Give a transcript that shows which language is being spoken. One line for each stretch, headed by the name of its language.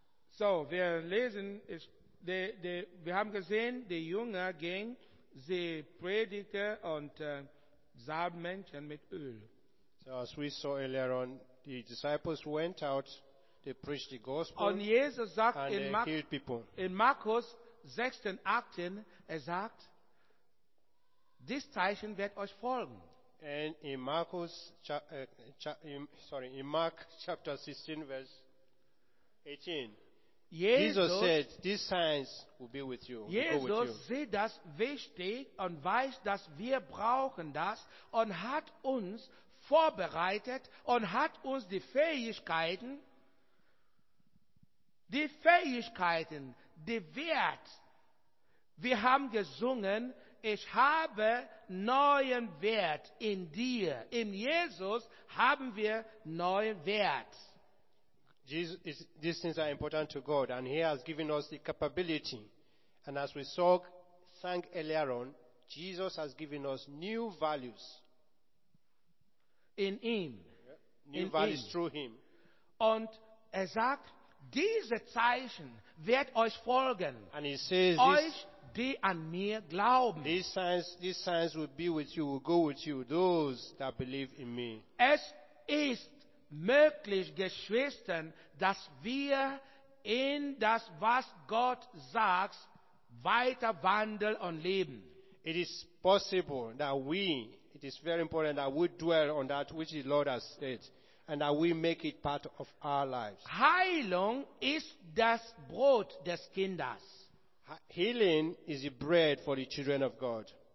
German: So, wir lesen, wir haben gesehen, die Jünger gingen, sie predigten und salben Menschen mit Öl.
English: So, as we saw earlier on, the disciples went out, they preached the gospel.
German: Und Jesus sagt
English: and in, healed people.
German: In Markus 16, 18, er sagt, dies Zeichen wird euch folgen.
English: And in Markus, in Mark chapter 16, verse 18, Jesus said, these signs will be with you.
German: Jesus sieht das wichtig und weiß, dass wir brauchen das und hat uns vorbereitet und hat uns die Fähigkeiten, die Wert. Wir haben gesungen, ich habe neuen Wert in dir. In Jesus haben wir neuen Wert.
English: These things are important to God, and He has given us the capability. And as we sang earlier on, Jesus has given us new values. In Him. New in values him. Through Him.
German: Und er sagt, diese Zeichen wird euch folgen.
English: And He says,
German: euch, die an mir glauben.
English: These signs will be with you, will go with you, those that believe in me.
German: Es ist möglich, Geschwister, dass wir in das, was Gott sagt, weiter wandeln und leben.
English: It is possible that we, it is very important that we dwell on that which the Lord has said, and that we make it part of our lives.
German: Heilung ist das Brot des Kindes.
English: Healing is the bread for the children of God.